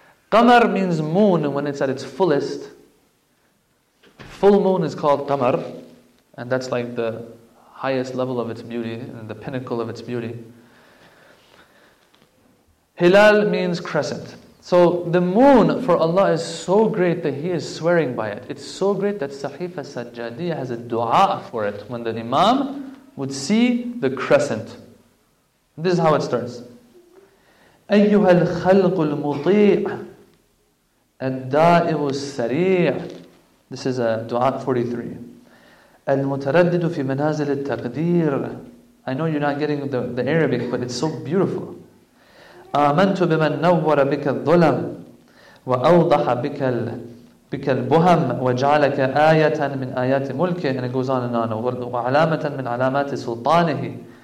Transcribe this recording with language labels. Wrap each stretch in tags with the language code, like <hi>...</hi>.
<en>Qamar means moon when it's at its fullest. Full moon is called Qamar, and that's like the highest level of its beauty and the pinnacle of its beauty. Hilal means crescent. So the moon for Allah is so great that he is swearing by it. It's so great that Sahifa Sajjadiya has a dua for it when the Imam would see the crescent. This is how it starts.</en> <ar>أَيُّهَا الْخَلْقُ الْمُطِيعُ الدَّائِعُ السَّرِيعُ.</ar> <en>This is a dua 43.</en> <ar>الْمُتَرَدِّدُ فِي مَنَازِلِ التَّقْدِيرُ.</ar> <en>I know you're not getting the Arabic, but it's so beautiful.</en> <ar>آمنت بمن نور بك الظلم وأوضح بك بك البهم وجعلك آية من آيات ملكه.</ar> <en>And it goes on and on.</en> <ar>وعلامة من علامات سلطانه.</ar>